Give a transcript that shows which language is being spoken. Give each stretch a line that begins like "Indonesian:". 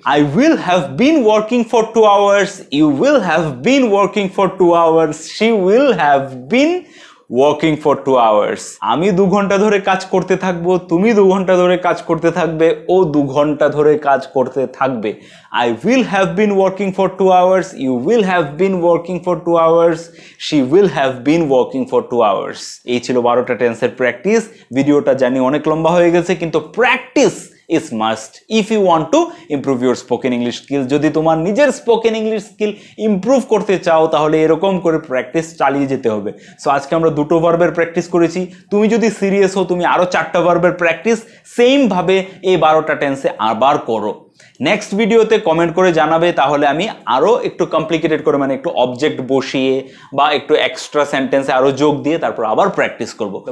English: I will have been working for 2 hours, you will have been working for 2 hours, she will have been working for 2 hours.
Bangla: আমি 2 ঘন্টা ধরে কাজ করতে থাকবো, তুমি 2 ঘন্টা ধরে কাজ করতে থাকবে, ও 2 ঘন্টা ধরে কাজ করতে থাকবে।
English: I will have been working for 2 hours, you will have been working for 2 hours, she will have been working for 2 hours.
Bangla: এই ছিল 12টা টেন্সের প্র্যাকটিস। ভিডিওটা জানি অনেক লম্বা হয়ে গেছে, কিন্তু practice
English: is must if you want to improve your spoken english skill.
Bangla: যদি তোমার নিজের
English: spoken english skill improve
Bangla: করতে চাও, তাহলে এরকম করে প্র্যাকটিস চালিয়ে যেতে হবে। সো আজকে আমরা 2টো ভার্বের প্র্যাকটিস করেছি। তুমি যদি সিরিয়াস হও, তুমি আরো 4টো ভার্বের প্র্যাকটিস সেম ভাবে এই 12টা টেন্সে আবার করো। নেক্সট ভিডিওতে কমেন্ট করে জানাবে, তাহলে আমি আরও একটু কমপ্লিকেটেড করে, মানে একটু অবজেক্ট বসিয়ে বা একটু এক্সট্রা সেন্টেন্সে আরও যোগ দিয়ে তারপর আবার প্র্যাকটিস করবো।